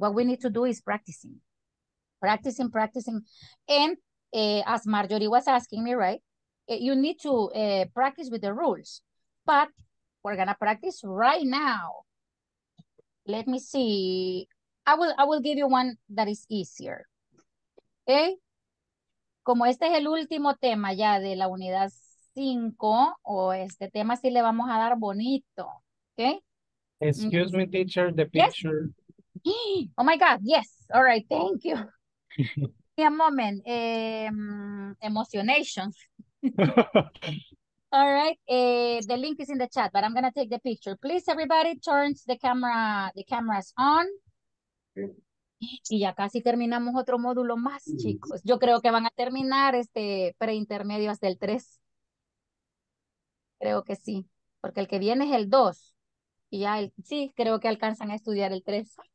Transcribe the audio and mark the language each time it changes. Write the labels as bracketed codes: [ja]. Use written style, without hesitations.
[en] What we need to do is practicing. Practicing, practicing. And as Marjorie was asking me, right, you need to practice with the rules. But we're going to practice right now. Let me see. I will give you one that is easier. Okay? [es] Como este es el último tema ya de la unidad 5, o este tema sí le vamos a dar bonito. [en] Okay? Excuse me, teacher, the picture. Yes. Oh, my God. Yes. All right. Thank you. Give me a moment. Emotionation. All right. The link is in the chat, but I'm going to take the picture. Please, everybody, turn the cameras on. [es] Y ya casi terminamos otro módulo más, chicos. Yo creo que van a terminar este preintermedio hasta el 3. Creo que sí. Porque el que viene es el 2. Y ya sí, creo que alcanzan a estudiar el 3.